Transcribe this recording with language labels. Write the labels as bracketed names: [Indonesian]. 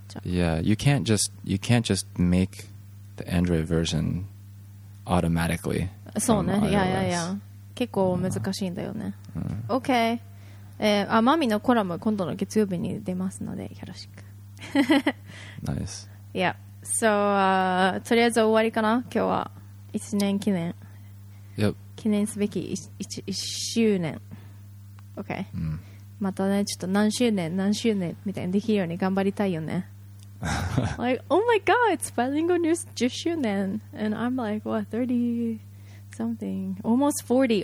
[English] Yeah, you can't just make the Android version automatically. [Japanese] そうね。いや。結構難しいんだよね。 [English] Okay. [Japanese] マミのコラム今度の月曜日に出ますのでよろしく。 [English] Nice. Yeah. So, [Japanese] とりあえず終わりかな、今日は。 1年記念。 [English] Yep. [Japanese] 記念すべき 1周年。 [English] Okay. [Japanese] またね、ちょっと何周年みたいにできるように頑張りたいよね。 [English] Like, oh my god, it's bilingual news 10周年 and I'm like, what, 30 something, almost 40.